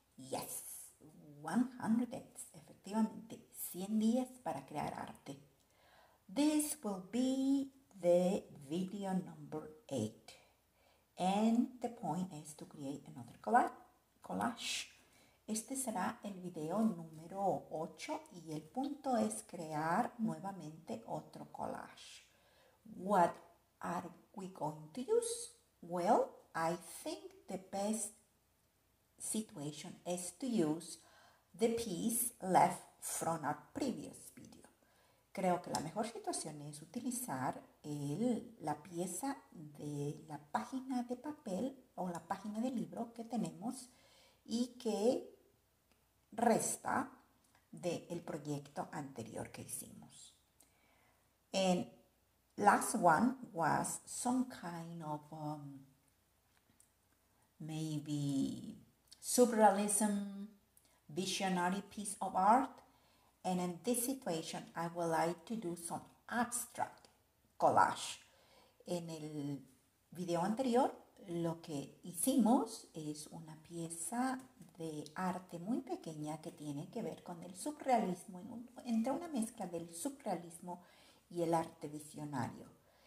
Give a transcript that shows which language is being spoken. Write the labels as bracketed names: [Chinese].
[English] Yes, 100 days, efectivamente. [Spanish] 100 días para crear arte. [English] This will be the video number 8. And the point is to create another collage. [Spanish] Este será el video número 8 y el punto es crear nuevamente otro collage. [English] What are we going to use? Well, I think the best situation is to use the piece left from our previous video. [Spanish] Creo que la mejor situación es utilizar la pieza de la página de papel o la página de libro que tenemos y que resta del proyecto anterior que hicimos. [English] And last one was some kind of maybe surrealism, visionary piece of art. And in this situation, I would like to do some abstract collage. [Spanish] En el video anterior, lo que hicimos es una pieza de arte muy pequeña que tiene que ver con el surrealismo, entre una mezcla del surrealismo y el arte visionario.